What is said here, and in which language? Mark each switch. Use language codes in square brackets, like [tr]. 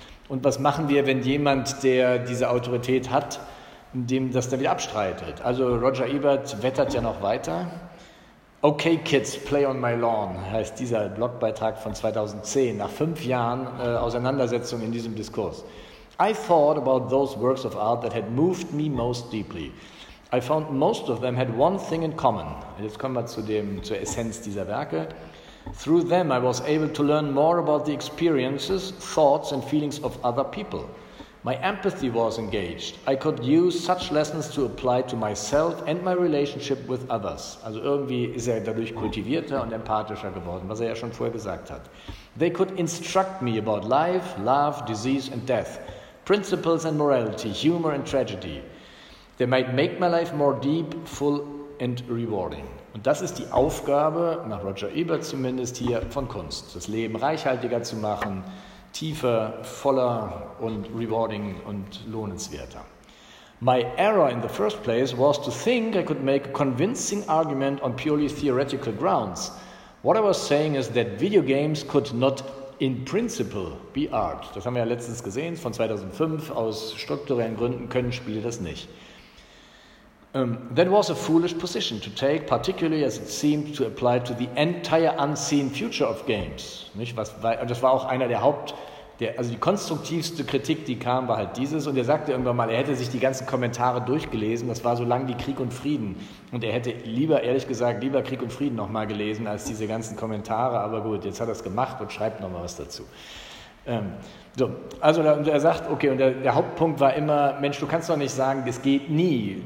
[de] Und was machen wir, wenn jemand, der diese Autorität hat, dem das dann wieder abstreitet? Also Roger Ebert wettert ja noch weiter. [en] Okay, Kids, Play on My Lawn [de] heißt dieser Blogbeitrag von 2010, nach 5 Jahren Auseinandersetzung in diesem Diskurs. [en] I thought about those works of art that had moved me most deeply. I found most of them had one thing in common. [de] Jetzt kommen wir zur Essenz dieser Werke. [en] Through them I was able to learn more about the experiences, thoughts and feelings of other people. My empathy was engaged. I could use such lessons to apply to myself and my relationship with others. [de] Also irgendwie ist er dadurch kultivierter und empathischer geworden, was er ja schon vorher gesagt hat. [en] They could instruct me about life, love, disease and death, principles and morality, humor and tragedy. They might make my life more deep, full and rewarding. [de] Und das ist die Aufgabe, nach Roger Ebert zumindest hier, von Kunst. Das Leben reichhaltiger zu machen, tiefer, voller und rewarding und lohnenswerter. [en] My error in the first place was to think I could make a convincing argument on purely theoretical grounds. What I was saying is that video games could not in principle be art. [de] Das haben wir ja letztens gesehen, von 2005. Aus strukturellen Gründen können Spiele das nicht. [en] That was a foolish position to take, particularly as it seemed to apply to the entire unseen future of games. [de] Nicht? Das war auch einer der die konstruktivste Kritik, die kam, war halt dieses. Und er sagte irgendwann mal, er hätte sich die ganzen Kommentare durchgelesen, das war so lang wie Krieg und Frieden. Und er hätte lieber Krieg und Frieden nochmal gelesen, als diese ganzen Kommentare. Aber gut, jetzt hat er es gemacht und schreibt nochmal was dazu. Der Hauptpunkt war immer, Mensch, du kannst doch nicht sagen, das geht nie.